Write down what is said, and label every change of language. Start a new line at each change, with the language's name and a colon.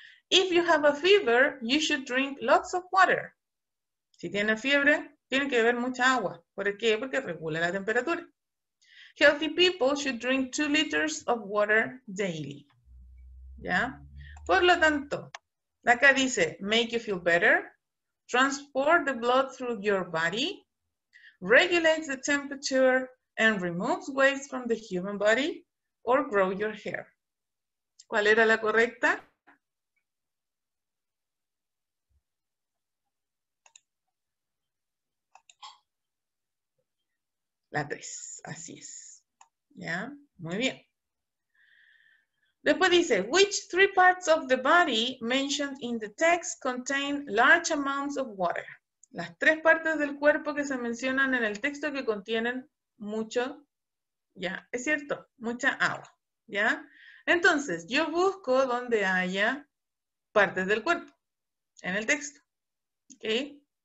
English: If you have a fever, you should drink lots of water.
Spanish: Si tiene fiebre, tiene que beber mucha agua. ¿Por qué? Porque regula la temperatura.
English: Healthy people should drink 2 liters of water daily.
Spanish: ¿Ya? Por lo tanto, acá dice,
English: make you feel better, transport the blood through your body, regulates the temperature and removes waste from the human body, or grow your hair.
Spanish: ¿Cuál era la correcta? La 3, así es. ¿Ya? Muy bien. Después dice,
English: which three parts of the body mentioned in the text contain large amounts of water?
Spanish: Las tres partes del cuerpo que se mencionan en el texto que contienen mucho, ¿ya? Es cierto, mucha agua, ¿ya? Entonces, yo busco donde haya partes del cuerpo en el texto, ¿ok?